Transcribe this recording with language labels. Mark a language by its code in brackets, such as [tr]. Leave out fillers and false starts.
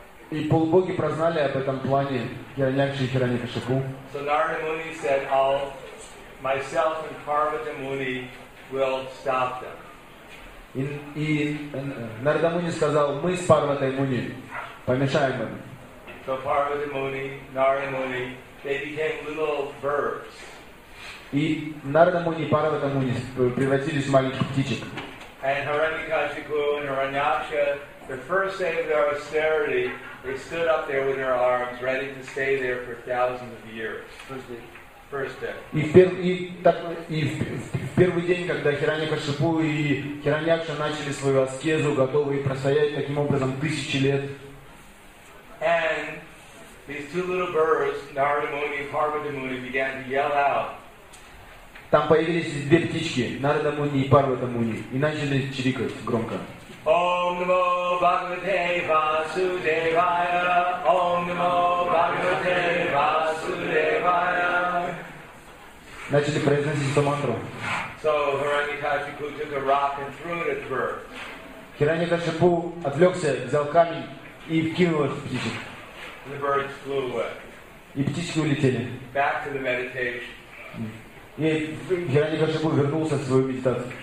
[ru] И полубоги прознали об этом плане Хираньякши и Хираньякашипу. [en] So Narada Muni said, I'll myself and Parvati Muni will stop them. [ru] И Нарада Муни сказал, мы с Парватой Муни помешаем им. [en] So Parvati Muni, Narada Muni, they became little birds. [ru] И Нарада Муни и Парвата Муни превратились в маленьких птичек. [en] And Hiranyakashipu and Hiranyaksha, the first day of their austerity, they stood up there with their arms, ready to stay there for thousands of years. [ru] И в первый день, когда Хиранья-Кашипу и Хираньякша начали свою аскезу, готовые простоять таким образом тысячи лет. [en] And these two little birds, Narada Muni and Parvati Muni, began to yell out. [ru] Там появились две птички, Нарада Муни и Парвата Муни, и начали чирикать громко. [sa] Ом намо Бхагавате Васудевая. Ом намо Бхагавате Васудевая. [ru] Начали произносить эту мантру. [en] So Hiranyakashipu took a rock and threw it at the bird. [ru] Хиранья-Кашипу отвлекся, взял камень и кинул их в птичек. [en] The birds flew away. [ru] И птички улетели. [en] Back to the meditation. [ru] И Хиранья-Кашипу вернулся в свою медитацию.